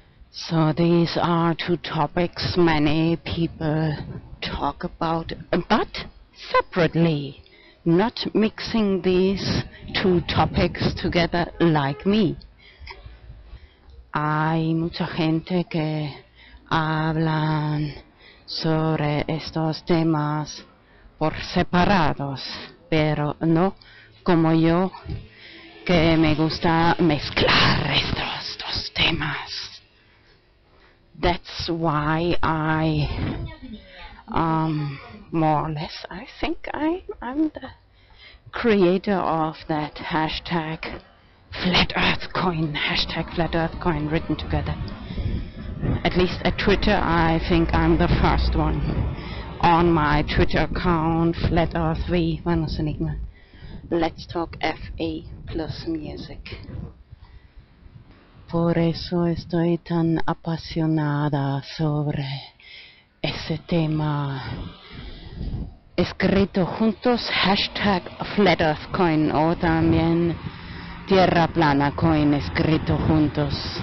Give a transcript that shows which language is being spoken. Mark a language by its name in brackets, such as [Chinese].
[English] So these are two topics many people talk about, but separately, not mixing these two topics together like me. [Spanish] Hay mucha gente que hablan sobre estos temas por separados, pero no como yo, que me gusta mezclar estos dos temas. [English] That's why I, more or less, I think I'm the creator of that hashtag Flat Earth Coin, hashtag Flat Earth Coin written together. At least at Twitter, I think I'm the first one on my Twitter account, Flat Earth V, VanosEnigmA, Let's Talk FE plus music. [Spanish] Por eso estoy tan apasionada sobre ese tema. Escrito juntos, hashtag Flat Earth Coin, o también Tierra Plana Coin, escrito juntos.